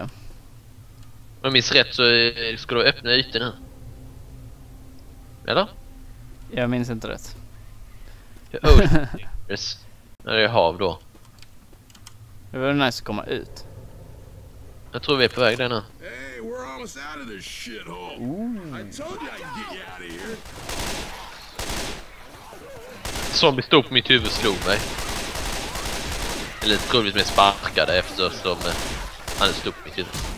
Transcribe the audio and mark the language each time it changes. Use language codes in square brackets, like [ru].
[sv] Om jag minns rätt så ska du öppna ytor nu. Eller? Jag minns inte rätt. När det är hav då. Det var nice att komma ut. Jag tror vi är på väg där nu. [en] Hey, we're almost out of this shithole. I told you I'd get you out of here. [sv] Zombie stod på mitt huvud och slog mig. Eller troligtvis med sparkade eftersom han stod på mitt huvud.